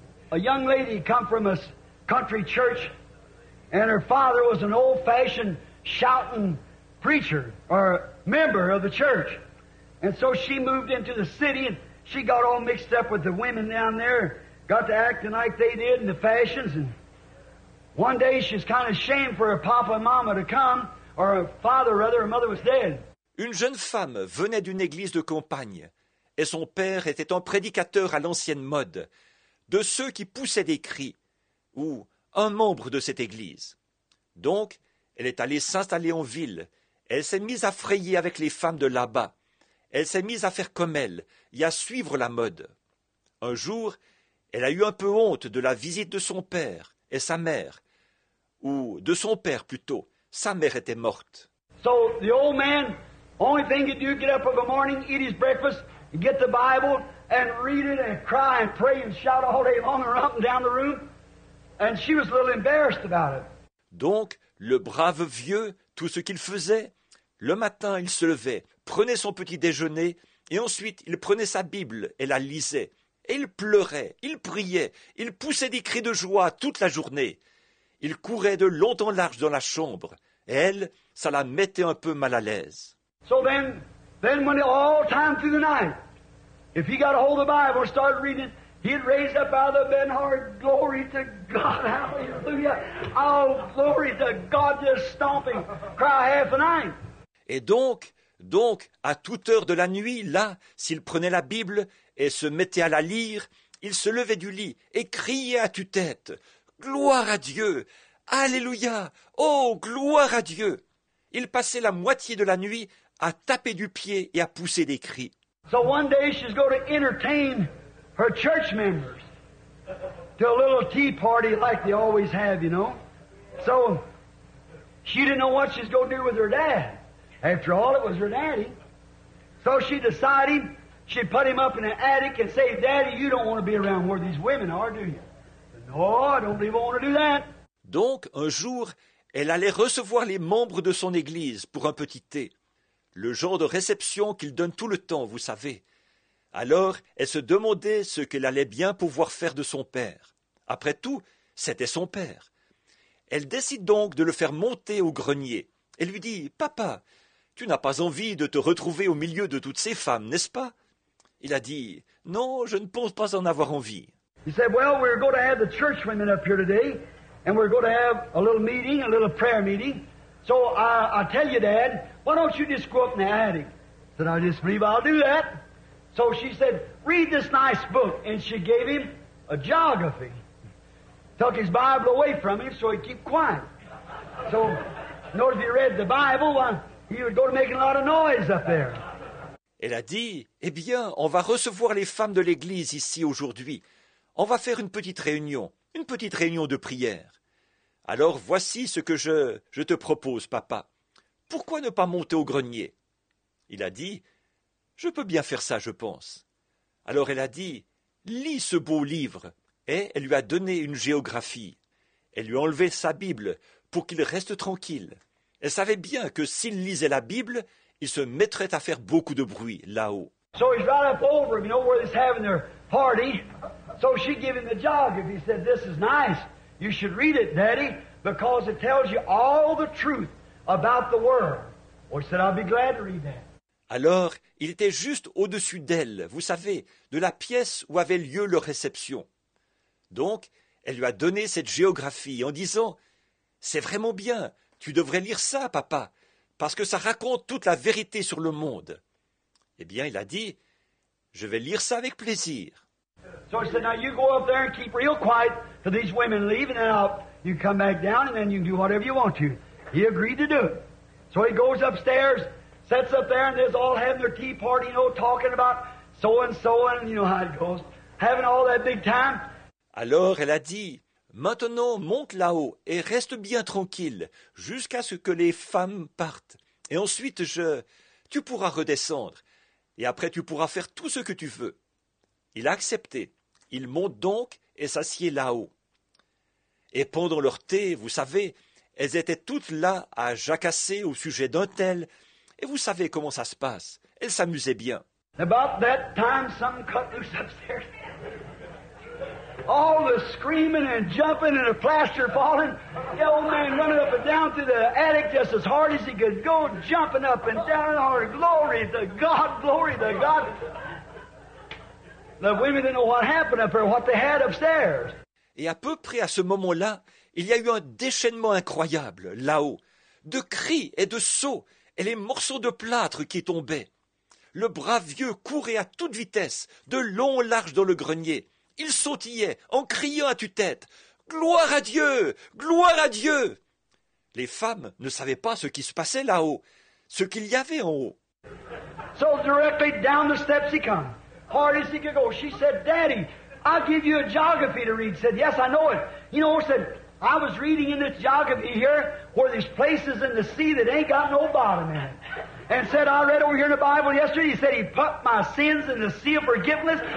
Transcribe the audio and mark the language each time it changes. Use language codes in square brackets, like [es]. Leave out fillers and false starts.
[en] A young lady come from a country church, and her father was an old-fashioned shouting preacher or member of the church. And so she moved into the city, and she got all mixed up with the women down there, got to acting like they did in the fashions. And one day she's kind of ashamed for her papa and mama to come, or her father rather, her mother was dead. [fr] Une jeune femme venait d'une église de campagne, et son père était un prédicateur à l'ancienne mode, de ceux qui poussaient des cris, ou un membre de cette église. Donc, elle est allée s'installer en ville, elle s'est mise à frayer avec les femmes de là-bas. Elle s'est mise à faire comme elle et à suivre la mode. Un jour, elle a eu un peu honte de la visite de son père et sa mère, ou de son père plutôt. Sa mère était morte. [en] So the old man, only thing he do, get up of a morning, eat his breakfast, get the Bible and read it and cry and pray and shout all day long and up and down the room, and she was a little embarrassed about it. [fr] Donc, le brave vieux, tout ce qu'il faisait, le matin, il se levait, prenait son petit déjeuner, et ensuite il prenait sa Bible et la lisait. Et il pleurait, il priait, il poussait des cris de joie toute la journée. Il courait de long en large dans la chambre, et elle, ça la mettait un peu mal à l'aise. [en] So then when all time through the night, if he got a hold of the Bible and started reading, he'd raise up out of the bed and heart, glory to God, hallelujah, oh, glory to God, just stomping, cry half the night. [fr] Et donc, à toute heure de la nuit, là, s'il prenait la Bible et se mettait à la lire, il se levait du lit et criait à tue-tête, « Gloire à Dieu! Alléluia! Oh, gloire à Dieu !» Il passait la moitié de la nuit à taper du pied et à pousser des cris. [en] So one day she's going to entertain her church members to a little tea party like they always have, you know. So she didn't know what she's going to do with her dad. After all, it was her daddy. So she decided she'd put him up in an attic and say, Daddy, you don't want to be around where these women are, do you? No, I don't believe I want to do that. [fr] Donc, un jour, elle allait recevoir les membres de son église pour un petit thé. Le genre de réception qu'il donne tout le temps, vous savez. Alors, elle se demandait ce qu'elle allait bien pouvoir faire de son père. Après tout, c'était son père. Elle décide donc de le faire monter au grenier. Elle lui dit, « Papa, tu n'as pas envie de te retrouver au milieu de toutes ces femmes, n'est-ce pas ?» Il a dit, « Non, je ne pense pas en avoir envie. » [en] He said, « Well, we're going to have the church women up here today, and we're going to have a little meeting, a little prayer meeting. So I tell you, Dad, why don't you just go up in the attic ?» He said, « I just believe I'll do that. » So she said, « Read this nice book. » And she gave him a geography. Took his Bible away from him so he'd keep quiet. So... Notice you read the Bible, he would go to making a lot of noise up there. [fr] Elle a dit, eh bien, on va recevoir les femmes de l'église ici aujourd'hui. On va faire une petite réunion de prière. Alors voici ce que je te propose, papa. Pourquoi ne pas monter au grenier? Il a dit, je peux bien faire ça, je pense. Alors elle a dit, lis ce beau livre. Et elle lui a donné une géographie. Elle lui a enlevé sa Bible pour qu'il reste tranquille. Elle savait bien que s'il lisait la Bible, il se mettrait à faire beaucoup de bruit là-haut. [en] So he's right up over him, you know, where he's having their party. So she gave him the geography. He said, this is nice. You should read it, Daddy, because it tells you all the truth about the world. Well, he said, I'll be glad to read that. [fr] Alors, il était juste au-dessus d'elle, vous savez, de la pièce où avait lieu leur réception. Donc, elle lui a donné cette géographie en disant, c'est vraiment bien, tu devrais lire ça, papa, parce que ça raconte toute la vérité sur le monde. Eh bien, il a dit, je vais lire ça avec plaisir. [en] So he said, now you go up there and keep real quiet till these women leave, and then you come back down, and then you do whatever you want to. He agreed to do it. So he goes upstairs, sets up there, and they're all having their tea party, you know, talking about so and so, and you know how it goes, having all that big time. [fr] Alors, elle a dit, « Maintenant, monte là-haut et reste bien tranquille jusqu'à ce que les femmes partent. Et ensuite, tu pourras redescendre. Et après, tu pourras faire tout ce que tu veux. » Il a accepté. Il monte donc et s'assied là-haut. Et pendant leur thé, vous savez, Elles étaient toutes là à jacasser au sujet d'un tel. Et vous savez comment ça se passe. Elles s'amusaient bien. [en] About that time, something cut loose upstairs. All the screaming and jumping and the plaster falling. The old man running up and down through the attic just as hard as he could go, jumping up and down. Oh, glory to God, glory to God. The women didn't know what happened up there, what they had upstairs. [fr] Et à peu près à ce moment-là, il y a eu un déchaînement incroyable, là-haut, de cris et de sauts, et les morceaux de plâtre qui tombaient. Le brave vieux courait à toute vitesse, de long en large dans le grenier. Il sautillait en criant à tue-tête « Gloire à Dieu ! Gloire à Dieu !» Les femmes ne savaient pas ce qui se passait là-haut, ce qu'il y avait en haut. [en] So directly down the steps he come, hard as he could go. She said, « Daddy, I'll give you a geography to read. » He said, « Yes, I know it. You know, said, I was reading in this geography here where there's places in the sea that ain't got no bottom in it. » And said, I read over here in the Bible yesterday, he said, he put my sins in the sea of forgiveness.